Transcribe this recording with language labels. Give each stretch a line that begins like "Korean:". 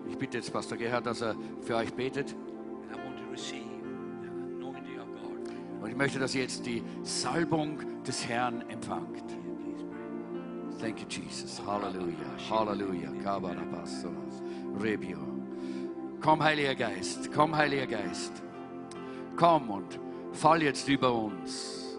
German: Ich bitte jetzt Pastor Gerhard, dass er für euch betet.
English: And I want to receive the anointing of God.
German: Und ich möchte, dass ihr jetzt die Salbung des Herrn empfangt.
English: Thank you, Jesus. Hallelujah. Hallelujah. Kabarabasolos. Rebio.
German: Komm, Heiliger Geist. Komm, Heiliger Geist. Komm und fall jetzt über uns.